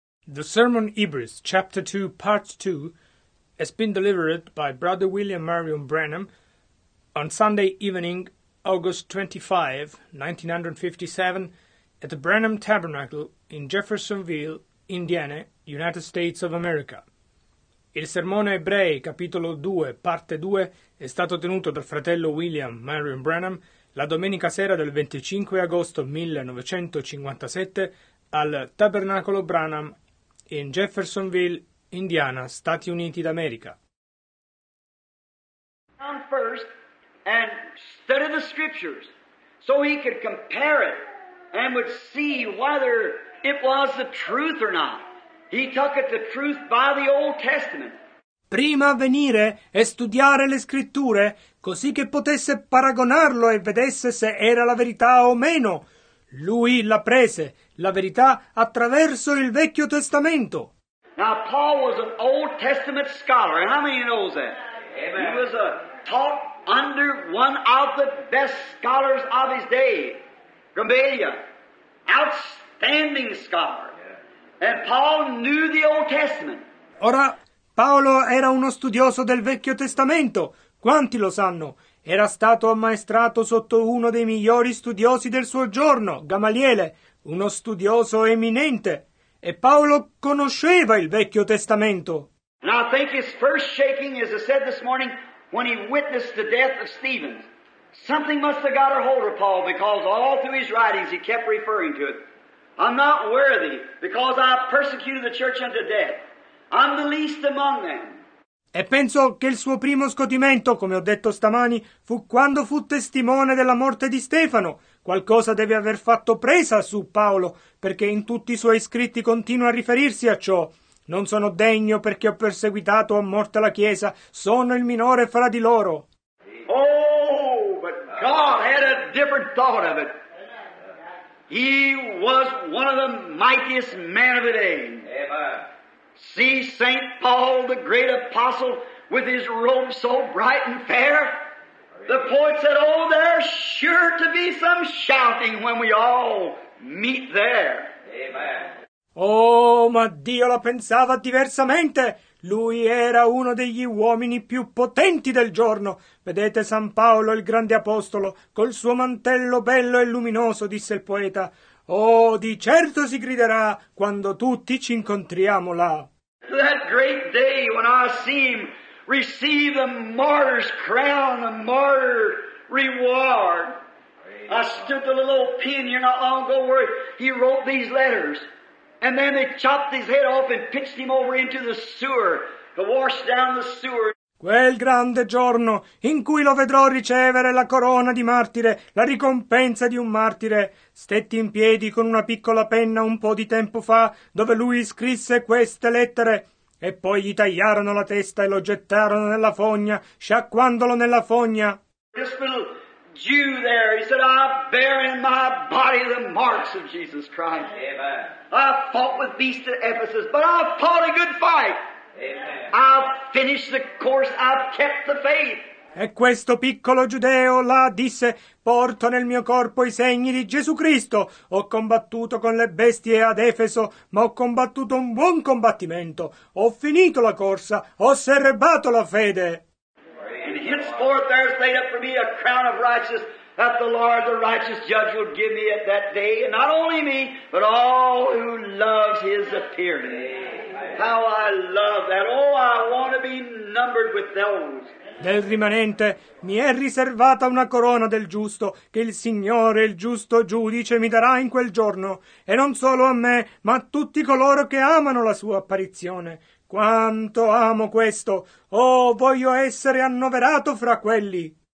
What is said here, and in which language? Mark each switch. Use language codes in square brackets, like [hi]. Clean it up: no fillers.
[en] The Sermon Ibris, Chapter 2, Part 2, has been delivered by Brother William Marion Branham on Sunday evening, August 25, 1957, at the Branham Tabernacle in Jeffersonville, Indiana, United States of America. [it] Il Sermone Ebrei, Capitolo 2, Parte 2, è stato tenuto dal fratello William Marion Branham la domenica sera del 25 agosto 1957 al Tabernacolo Branham in Jeffersonville, Indiana, Stati Uniti d'America. [en] Come first and study the scriptures so he could compare it and would see whether it was the truth or not. He took it the truth by the Old Testament. [it] Prima venire e studiare le scritture così che potesse paragonarlo e vedesse se era la verità o meno. Lui la prese, la verità, attraverso il Vecchio Testamento. [en] Now Paul was an Old Testament scholar. How many knows that? Amen. He was taught under one of the best scholars of his day, Gamaliel, outstanding scholar. And Paul knew the Old Testament. [it] Ora, Paolo era uno studioso del Vecchio Testamento. Quanti lo sanno? Era stato ammaestrato sotto uno dei migliori studiosi del suo giorno, Gamaliele, uno studioso eminente. E Paolo conosceva il Vecchio Testamento. [en] Now I think his first shaking, as I said this morning, when he witnessed the death of Stephen. Something must have got a hold of Paul, because all through his writings he kept referring to it. I'm not worthy, because I persecuted the church unto death. I'm the least among them. [it] E penso che il suo primo scotimento, come ho detto stamani, fu quando fu testimone della morte di Stefano. Qualcosa deve aver fatto presa su Paolo, perché in tutti i suoi scritti continua a riferirsi a ciò. Non sono degno perché ho perseguitato a morte la Chiesa, sono il minore fra di loro. [en] Oh, but God had a different thought of it. He was one of the mightiest men of the day. Amen. See St. Paul, the great apostle, with his robe so bright and fair. The poet said, oh, there's sure to be some shouting when we all meet there. Amen. [it] Oh, ma Dio la pensava diversamente. Lui era uno degli uomini più potenti del giorno. Vedete San Paolo, il grande apostolo, col suo mantello bello e luminoso, disse il poeta. Oh, di certo si griderà quando tutti ci incontriamo là. [en] That great day when I see him receive the martyr's crown, the martyr reward. I stood the little old pen here not long ago where he wrote these letters. And then they chopped his head off and pitched him over into the sewer, to wash down the sewer. [it] Quel grande giorno in cui lo vedrò ricevere la corona di martire, la ricompensa di un martire, stetti in piedi con una piccola penna un po' di tempo fa, dove lui scrisse queste lettere, e poi gli tagliarono la testa e lo gettarono nella fogna, sciacquandolo nella fogna. [en] This little Jew there, he said, I bear in my body the marks of Jesus Christ. Amen. I fought with beasts at Ephesus, but I fought a good fight. Amen. I've finished the course, I've kept the faith. [it] E questo piccolo giudeo là disse, porto nel mio corpo i segni di Gesù Cristo. Ho combattuto con le bestie ad Efeso, ma ho combattuto un buon combattimento. Ho finito la corsa, ho serbato la fede. [en] And henceforth there is laid up for me a crown of righteousness that the Lord, the righteous judge, will give me at that day. And not only me, but all who loves his appearing. How I love that. Oh, I want to be numbered with those. [it] Del rimanente mi è riservata una corona del giusto che il Signore, il giusto giudice, mi darà in quel giorno. E non solo a me, ma a tutti coloro che amano la sua apparizione. Quanto amo questo. Oh, voglio essere annoverato fra quelli.